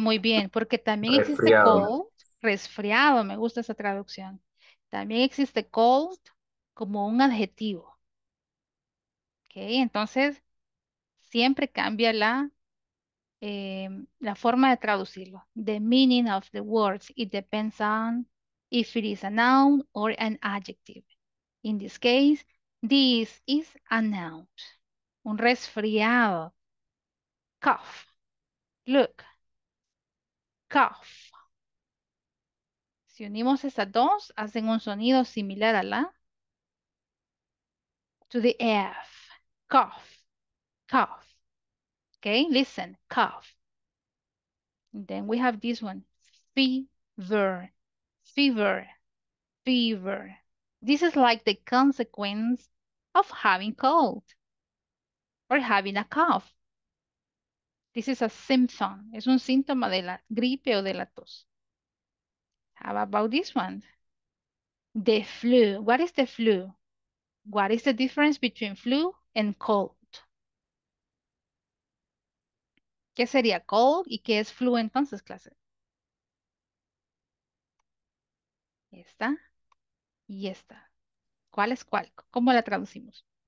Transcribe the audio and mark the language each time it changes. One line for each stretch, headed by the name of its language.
Spanish: muy bien, porque también existe cold, resfriado, me gusta esa traducción. También existe cold como un adjetivo. Okay, entonces, siempre cambia la forma de traducirlo.
English: The meaning of the words, it depends on if it is a noun or an adjective. In this case, this is a noun,
Spanish: un resfriado.
English: Cough. Look. Cough.
Spanish: Si unimos esas dos, hacen un sonido similar a la.
English: To the F. Cough. Cough. Okay, listen. Cough. And then we have this one. Fever. Fever. Fever. This is like the consequence of having cold. Or having a cough. This is a symptom.
Spanish: Es un síntoma de la gripe o de la tos.
English: How about this one? The flu. What is the flu? What is the difference between flu and cold?
Spanish: ¿Qué sería cold y qué es flu entonces, clase? Esta y esta. ¿Cuál es cuál? ¿Cómo la traducimos?